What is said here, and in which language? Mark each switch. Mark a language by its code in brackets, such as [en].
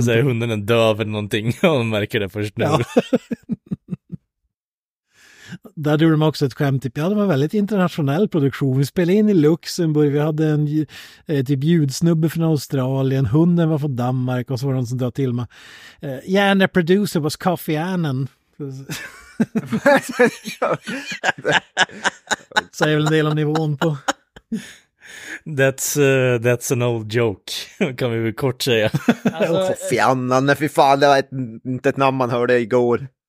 [sv] Så här, hunden är döv eller någonting. Man märker det först nu. Ja. Där gjorde de också ett skämt, typ, ja, det var en väldigt internationell produktion. Vi spelade in i Luxemburg, vi hade en typ ljudsnubbe från Australien, hunden var från Danmark, och så var det någon som drar till mig. [en] Ja, and the producer was Kofi Annan. [sv] Säger väl en del av nivån på. [en] That's an old joke, [sv] kan vi väl kort säga. Kofi Annan, fy fan, det var inte ett namn man hörde igår.